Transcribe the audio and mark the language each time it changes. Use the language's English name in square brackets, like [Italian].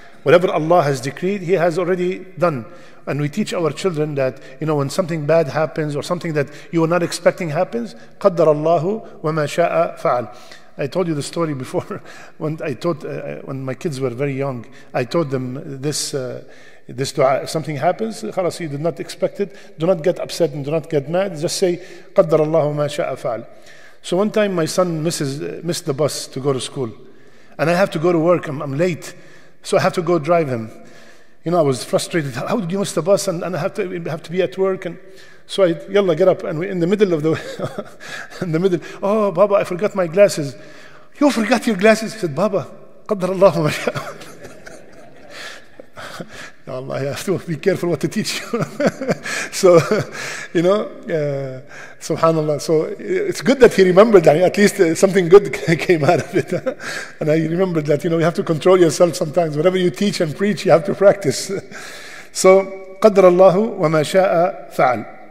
[English] Whatever Allah has decreed, He has already done. And we teach our children that, you know, when something bad happens or something that you were not expecting happens, [Arabic] قدر الله وما شاء فعل. [English] I told you the story before when my kids were very young. I told them this dua. If something happens, خلاص, you did not expect it, do not get upset and do not get mad. Just say, [Arabic] قدر الله ما شاء فعل. [English] So one time my son missed the bus to go to school. And I have to go to work, I'm late. So I have to go drive him. You know, I was frustrated. How did you miss the bus? And I have to be at work. And so I, yalla, get up, and we in the middle of the in the middle, oh Baba, I forgot my glasses. You forgot your glasses? He said, Baba, [Arabic] قدر الله ما شاء. [English] Ya Allah, you have to be careful what to teach you. So, you know, subhanAllah. So it's good that he remembered that. At least something good came out of it. And I remembered that, you know, you have to control yourself sometimes. Whatever you teach and preach, you have to practice. So, [Arabic] قدر الله وما شاء فعل.